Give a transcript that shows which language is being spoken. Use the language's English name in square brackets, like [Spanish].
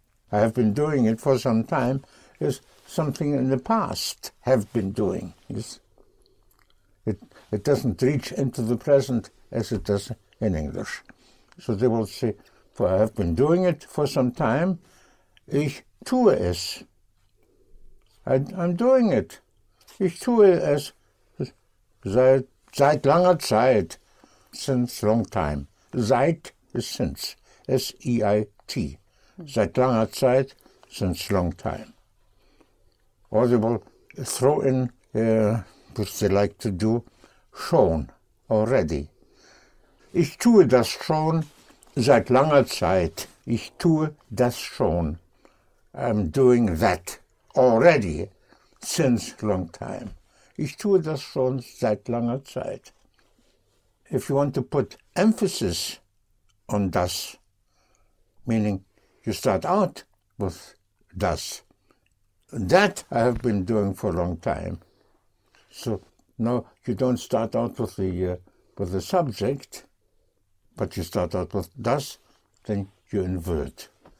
[English] I have been doing it for some time is something in the past, have been doing. It doesn't reach into the present as it does in English. So they will say, for I have been doing it for some time, [German] ich tue es. [English] I'm doing it. [German] Ich tue es seit seit langer Zeit, [English] since long time. Seit is since, S-E-I-T. [German] Seit langer Zeit, [English] since long time. Or they will throw in, which they like to do, [German] schon, [English] already. [German] Ich tue das schon seit langer Zeit. Ich tue das schon. [English] I'm doing that already, since long time. [German] Ich tue das schon seit langer Zeit. [English] If you want to put emphasis on das, meaning you start out with das, that I have been doing for a long time. So now you don't start out with the subject, but you start out with das, then you invert.